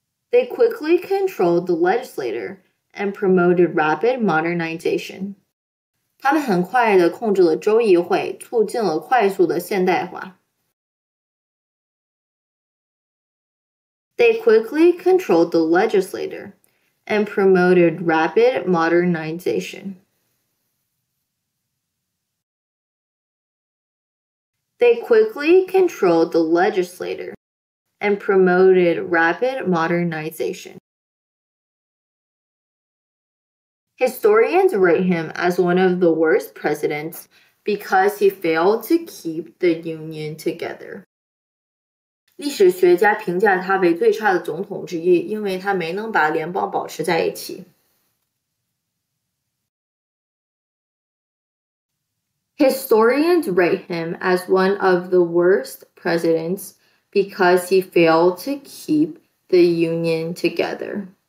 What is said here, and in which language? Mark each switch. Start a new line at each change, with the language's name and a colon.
English: They quickly controlled the legislature and promoted rapid modernization.
Chinese: 他们很快地控制了州议会，促进了快速的现代化。
English: They quickly controlled the legislature and promoted rapid modernization. They quickly controlled the legislature and promoted rapid modernization. Historians rate him as one of the worst presidents because he failed to keep the Union together.
Chinese: 历史学家评价他为最差的总统之一，因为他没能把联邦保持在一起。
English: Historians rate him as one of the worst presidents because he failed to keep the Union together.